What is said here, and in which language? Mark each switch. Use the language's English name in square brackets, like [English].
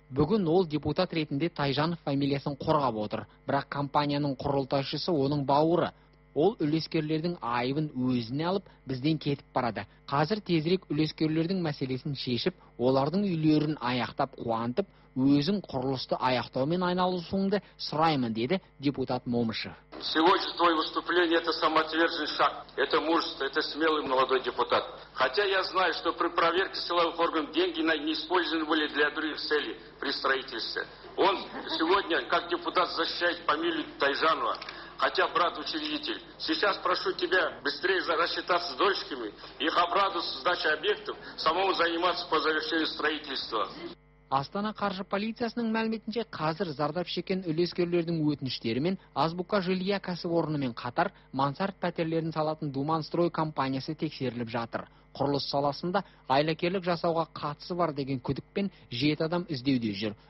[Kazakh] Бүгін ол депутат ретінде Тайжанов фамилиясын қорғап отыр, бірақ компанияның құрылтайшысы оның бауыры. Ол үлескерлердің айыбын өзіне алып, бізден кетіп барады. Қазір тезірек үлескерлердің мәселесін шешіп, олардың үйлерін аяқтап қуантып, өзің құрылысты аяқтаумен айналысуыңды сұраймын, деді депутат Момышев. [Russian] Сегодня твое выступление – это самоотверженный шаг, это мужество, это смелый молодой депутат. Хотя я знаю, что при проверке силовых органов деньги не использованы были для других целей при строительстве. Он сегодня, как депутат, защищает фамилию Тайжанова. Хотя брат учредитель, сейчас прошу тебя быстрее рассчитаться с дольщиками, их обрадоваться сдачей объектов, самому заниматься по завершению строительства. [Kazakh] Астана қаржы полициясының мәліметінше қазір зардап шеккен үлескерлердің өтініштерімен Азбука жилья кәсіпорнымен қатар мансарт пәтерлерін салатын Думан Строй компаниясы тексеріліп жатыр. құрылыс саласында айлакерлік жасауға қатысы бар деген күдікпен жеті адам іздеуде жүр.